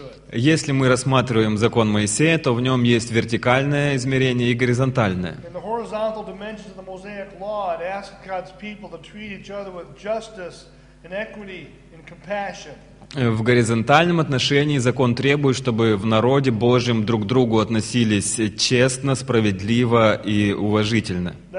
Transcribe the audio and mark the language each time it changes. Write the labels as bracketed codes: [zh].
[ru] Если мы рассматриваем закон Моисея, то в нем есть вертикальное измерение и горизонтальное. [en] In the horizontal dimensions of the Mosaic Law, it asks God's people to treat each other with justice and equity and compassion. [ru] В горизонтальном отношении закон требует, чтобы в народе Божьем друг к другу относились честно, справедливо и уважительно.